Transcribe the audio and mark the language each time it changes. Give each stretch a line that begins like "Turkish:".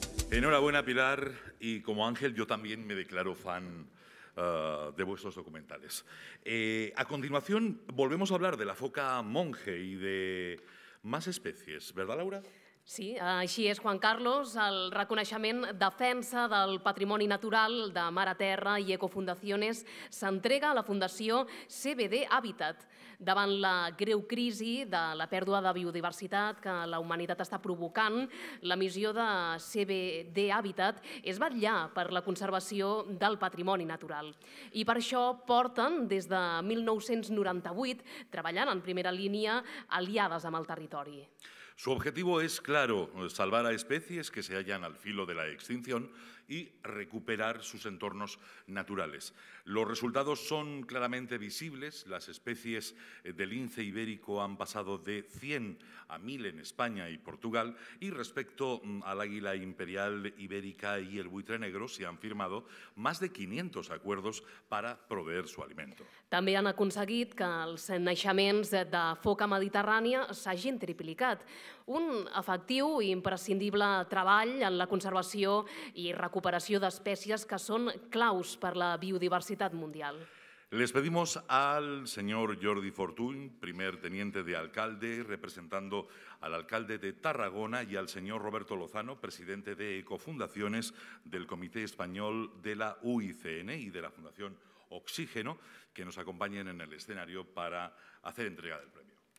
Spanish: Enhorabuena, Pilar, y como Ángel, yo también me declaro fan de vuestros documentales. A continuación, volvemos a hablar de la foca monje y de más especies, ¿verdad, Laura?
Catalan: Sí, així és, Juan Carlos. El reconeixement defensa del patrimoni natural de Mare Terra i Ecofundaciones s'entrega a la Fundació CBD Habitat. Davant la greu crisi de la pèrdua de biodiversitat que la humanitat està provocant, la missió de CBD Habitat és vetllar per la conservació del patrimoni natural. I per això porten des de 1998 treballant en primera línia aliades amb el territori.
Spanish: Su objetivo es, claro, salvar a especies que se hallan al filo de la extinción y recuperar sus entornos naturales. Los resultados son claramente visibles. Las especies de lince ibérico han pasado de 100 a 1000 en España y Portugal, y respecto al águila imperial ibérica y el buitre negro se han firmado más de 500 acuerdos para proveer su alimento.
Catalan: També han aconseguit que els naixements de foca mediterrània s'hagin triplicat. Un efectiu i imprescindible treball en la conservació i recuperació d'espècies que són claus per la biodiversitat mundial.
Spanish: Les pedimos al señor Jordi Fortuny, primer teniente de alcalde, representando al alcalde de Tarragona, y al señor Roberto Lozano, presidente de Ecofundaciones del Comité Español de la UICN y de la Fundación Oxígeno, que nos acompañen en el escenario para hacer entrega del premio.